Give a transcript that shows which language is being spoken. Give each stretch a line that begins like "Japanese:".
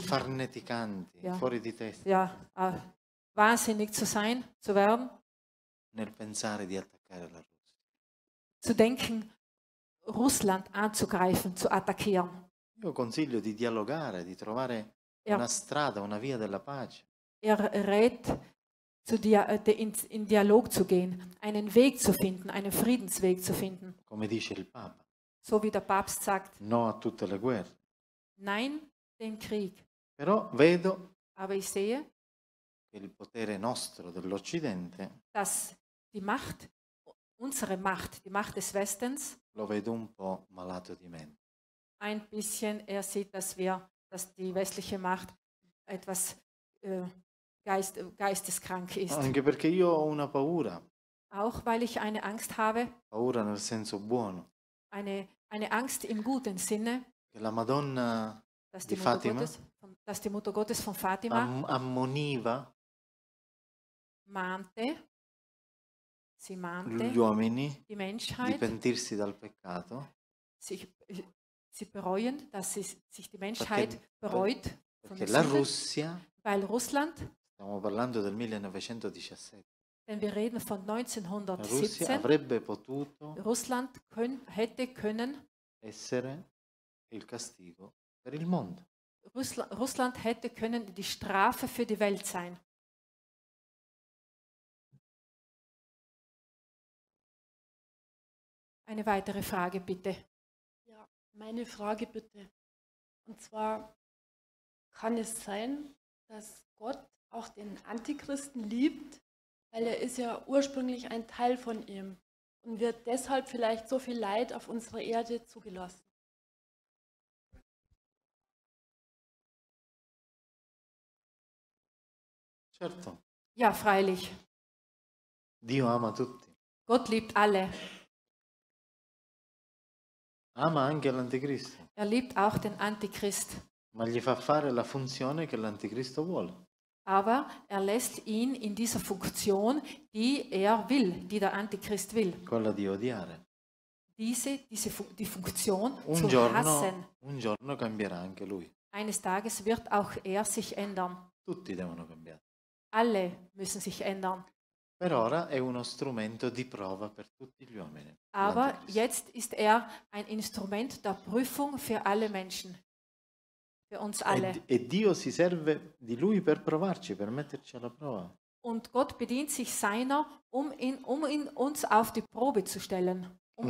Italian: farneticanti, ja, fuori di testa,
German: ja, wahnsinnig zu sein, zu werden,
Italian: nel pensare di attaccare la Russia,
German: zu denken, Russland anzugreifen, zu attackieren.
Italian: Io consiglio di dialogare, di trovare una strada, una via della pace.
German: Er rät, in Dialog zu gehen, einen Weg zu finden, einen Friedensweg zu finden.
Italian: Come dice il Papa.
German: So wie der Papst sagt.
Italian: No a tutte le guerre.
German: Nein, den Krieg.
Italian: Però vedo.
German: Aber ich sehe.
Italian: Che il potere nostro dell'Occidente.
German: Dass die Macht, unsere Macht, die Macht des Westens.
Italian: Lo vedo un po' malato di mente.
German: Ein bisschen, er sieht, dass die westliche Macht etwas geisteskrank ist.
Italian: Anche perché io ho una paura.
German: Auch weil ich eine Angst habe.
Italian: Paura nel senso buono.
German: Eine Angst im guten Sinne.
Italian: Che la Madonna di Fatima.
German: Dass die Mutter Gottes von Fatima.
Italian: Ammoniva.
German: Mahnte. Si mahnte.
Italian: Gli uomini.
German: Die Menschheit.
Italian: Di pentirsi dal peccato.
German: Sie bereuen, dass sich die Menschheit bereut.
Italian: Perché la Russia.
German: Weil Russland.
Italian: Stiamo parlando del 1917.
German: Denn wir reden von 1917.
Italian: Russia avrebbe potuto.
German: Russland hätte können.
Italian: Essere il castigo per il mondo.
German: Russland hätte können die Strafe für die Welt sein. Eine weitere Frage, bitte. Ja, meine Frage, bitte. Und zwar, kann es sein, dass Gott auch den Antichristen liebt, weil er ist ja ursprünglich ein Teil von ihm und wird deshalb vielleicht so viel Leid auf unserer Erde zugelassen?
Italian: Certo.
German: Ja, freilich.
Italian: Dio ama tutti.
German: Gott liebt alle.
Italian: Ama anche l'anticristo.
German: Er liebt auch den Antichrist.
Italian: Ma gli fa fare la funzione che l'anticristo vuole.
German: Aber er lässt ihn in dieser Funktion, die er will, die der Antichrist will.
Italian: Quella di odiare.
German: Diese Funktion
Italian: un
German: zu
Italian: giorno,
German: hassen.
Italian: Un giorno cambierà anche lui.
German: Eines Tages wird auch er sich ändern.
Italian: Tutti devono cambiare.
German: Alle müssen sich ändern.
Italian: Per ora è uno strumento di prova per tutti gli uomini.
German: Aber jetzt ist er ein Instrument der Prüfung für alle Menschen. Für uns alle.
Italian: E Dio si serve di lui per provarci, per metterci alla prova.
German: Und Gott bedient sich seiner, um ihn uns auf die Probe zu stellen, um